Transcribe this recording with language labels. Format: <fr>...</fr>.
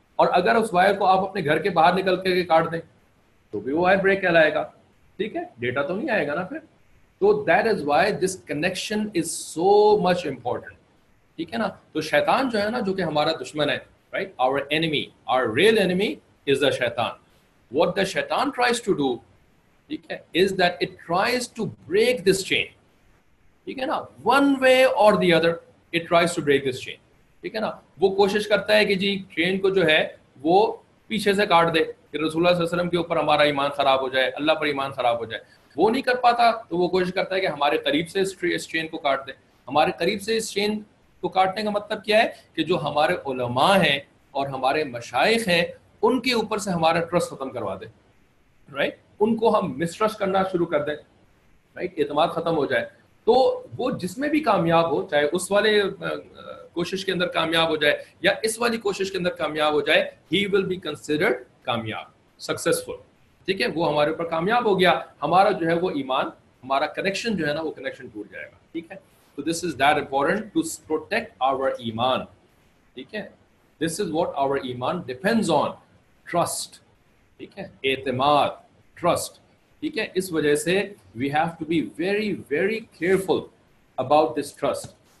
<ur>اور اگر اس وائر کو آپ اپنے گھر کے باہر نکل کر کے کاٹ دیں, تو بھی وہ وائر بریک کہلائے گا. ٹھیک ہے, ڈیٹا تو نہیں آئے گا نا پھر.</ur> <en>تو that is why this connection is so much important.</en> <ur>ٹھیک ہے نا, تو شیطان جو ہے نا, جو کہ ہمارا دشمن ہے,</ur> <en>right, our enemy, our real enemy is the shaitan. What the shaitan tries to do, okay, is that it tries to break this chain. Okay, na, one way or the other, it tries to break this chain.</en> <ur>Okay, na, wo koshish karta hai ki ji chain ko jo hai wo piche se kaat de, ki Rasoolullah sallam ke upar hamara iman kharab ho jaye, Allah par iman kharab ho jaye. Wo nahi kar pata, to wo koshish karta hai ki hamare qareeb se is chain ko kaat de. Hamare qareeb se is chain کو کاٹنے کا مطلب کیا ہے کہ جو ہمارے علماء ہیں اور ہمارے مشائخ ہیں, ان کے اوپر سے ہمارا ٹرسٹ ختم کروا دیں, رائٹ, ان کو ہم مسٹرسٹ کرنا شروع کر دیں, رائٹ, اعتماد ختم ہو جائے. تو وہ جس میں بھی کامیاب ہو, چاہے اس والے کوشش کے اندر کامیاب ہو جائے یا اس والی کوشش کے اندر کامیاب ہو جائے,</ur> <en>he will be considered</en> <ur>کامیاب, سکسیزفل. ٹھیک ہے, وہ ہمارے اوپر کامیاب ہو گیا, ہمارا جو ہے وہ ایمان, ہمارا کنیکشن جو ہے نا, وہ کنیکشن ٹوٹ جائے گا.</ur> <en>ٹھیک ہے, so this is that important to protect our iman. theek hai, this is what our iman depends on, trust.</en> <ur>theek hai, aitmad, trust. theek hai, is wajah se</ur> <en>we have to be very very careful about this trust.</en>